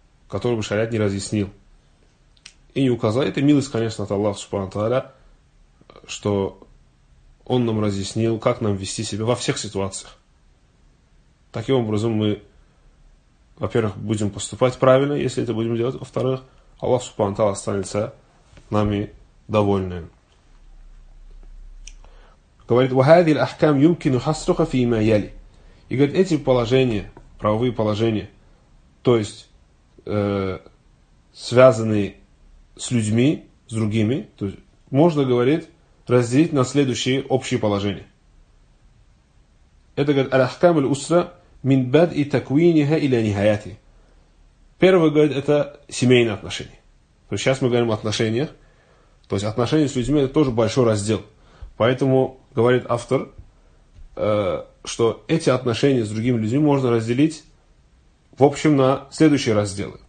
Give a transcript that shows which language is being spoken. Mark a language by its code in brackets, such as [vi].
[ru] Которую бы шариат не разъяснил. И не указал. Это милость, конечно, от Аллаха, субхана тааля, что он нам разъяснил, как нам вести себя во всех ситуациях. Таким образом мы, во-первых, будем поступать правильно, если это будем делать. Во-вторых, Аллах Субхану ва Тааля останется нами довольны. Говорит, [ar] وهذه الأحكام يمكن حصرها فيما يلي. [ru] И говорит, эти положения, правовые положения, то есть связанные с людьми, с другими, то есть можно, говорит, разделить на следующие общие положения. Это, говорит, [ar] الأحكام الأسرة من بدء تكوينها إلى نهايته. [ru] Первое, говорит, это семейные отношения. То есть сейчас мы говорим о отношениях. То есть отношения с людьми – это тоже большой раздел. Поэтому говорит автор, что эти отношения с другими людьми можно разделить, в общем, на следующие разделы.